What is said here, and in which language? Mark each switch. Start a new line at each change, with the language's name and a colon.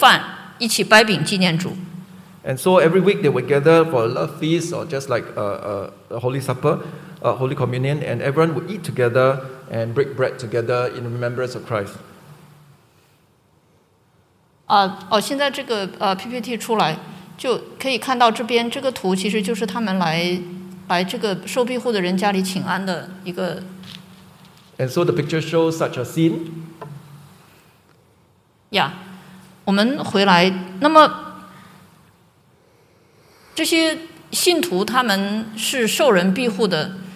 Chinese: 他们每个星期都会举行爱宴，也就是圣餐，大家会一起真的是吃饭，一起掰饼纪念主。
English: And so every week they would gather for a love feast or just like a holy supper. Holy Communion, and everyone would eat together and break bread together in remembrance of Christ.
Chinese: 现在这个PPT出来，就可以看到这边这个图，其实就是他们来这个受庇护的人家里请安的一个。And
English: so the picture shows such a scene.
Chinese: Yeah, 我们回来，那么这些信徒他们是受人庇护的。